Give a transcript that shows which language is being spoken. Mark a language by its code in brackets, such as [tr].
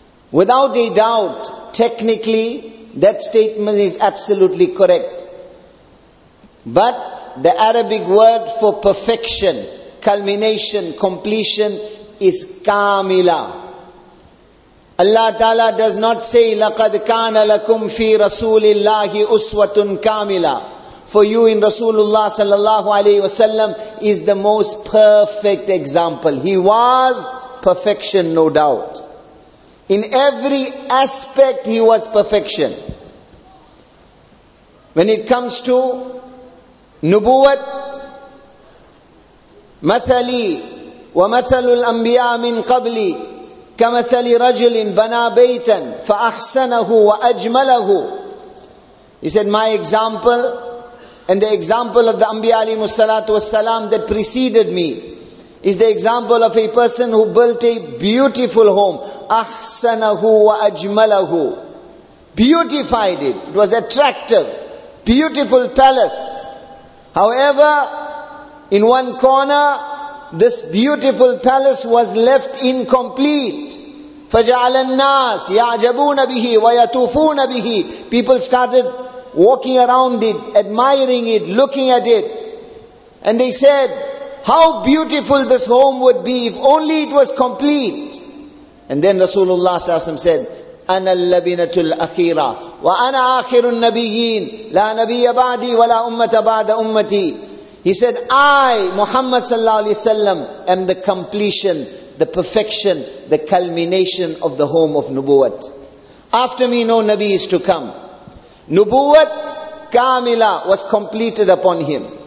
[en] Without a doubt, technically, that statement is absolutely correct. But the Arabic word for perfection, culmination, completion is kamila. Allah Ta'ala does not say, [ar] لَقَدْ كَانَ لَكُمْ فِي رَسُولِ اللَّهِ أُسْوَةٌ كَامِلًا. [en] For you in Rasulullah sallallahu alayhi wa sallam is the most perfect example. He was perfection, no doubt. In every aspect he was perfection. When it comes to nubuwat, [ar] مَثَلِي وَمَثَلُ الْأَنْبِيَاء مِنْ قَبْلِي كَمَثَلِ رَجُلٍ بَنَى بَيْتًا فَأَحْسَنَهُ وَأَجْمَلَهُ. [en] He said, my example and the example of the Anbiya alayhimus salatu wassalam that preceded me is the example of a person who built a beautiful home. [ar] أَحْسَنَهُ وَأَجْمَلَهُ. [en] Beautified it. It was attractive. Beautiful palace. However, in one corner, this beautiful palace was left incomplete. [ar] فَجَعَلَ النَّاسِ يَعْجَبُونَ بِهِ وَيَتُوفُونَ بِهِ. [en] People started walking around it, admiring it, looking at it. And they said, how beautiful this home would be if only it was complete. And then Rasulullah sallallahu alaihi wasallam said, [ar] أَنَا اللَّبِنَةُ الْأَخِيرَةُ وَأَنَا آخِرُ النَّبِيِّينَ لَا نَبِيَّ بَعْدِي وَلَا أُمَّةَ بَعْدَ أُمَّتِي. [en] He said, I, Muhammad sallallahu alayhi wa sallam, am the completion, the perfection, the culmination of the home of nubuwat. After me, no Nabi is to come. Nubuwat, kamila, was completed upon him.